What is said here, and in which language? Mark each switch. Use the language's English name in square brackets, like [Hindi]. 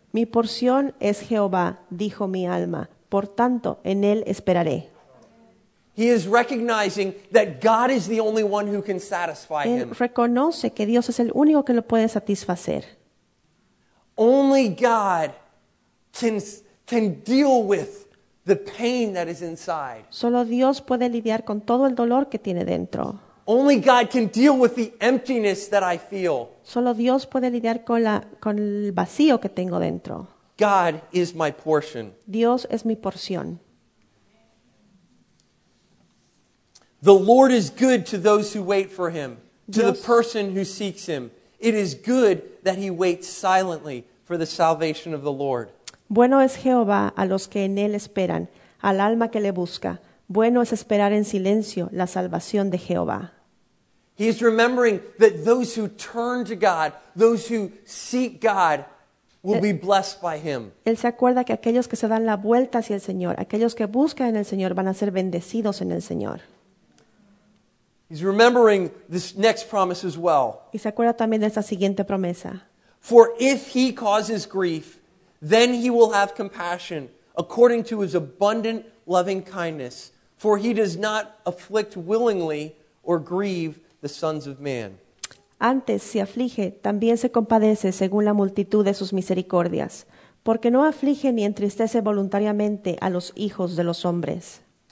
[Spanish] Mi porción es Jehová, dijo mi alma. Por tanto, en él esperaré. [English] He is recognizing that God is the only one who can satisfy [Spanish] él [English] him. [Spanish] Reconoce que Dios es el único que lo puede satisfacer. [English] Only God can deal with the pain that is inside. [Spanish] Solo Dios puede lidiar con todo el dolor que tiene dentro. [English] Only God can deal with the emptiness that I feel. [Spanish] Solo Dios puede lidiar con el vacío que tengo dentro. [English] God is my portion. [Spanish] Dios es mi porción. [English] The Lord is good to those who wait for him, to Dios, the person who seeks him. It is good that he waits silently for the salvation of the Lord. [Spanish] Bueno es Jehová a los que en él esperan, al alma que le busca. Bueno es esperar en silencio la salvación de Jehová. [English] He is remembering that those who turn to God, those who seek God, will be blessed by him. [Spanish] Él se acuerda que aquellos que se dan la vuelta hacia el Señor, aquellos que buscan en el Señor, van a ser bendecidos en el Señor. [English] He's remembering this next promise as well. [Spanish] Y se acuerda también de esta siguiente promesa. [English] For if he causes grief, then he will have compassion according to his abundant loving kindness. For he does not afflict willingly or grieve the sons of man. [Spanish] Antes, si aflige, también se compadece según la multitud de sus misericordias, porque no aflige ni entristece voluntariamente a los hijos de los hombres.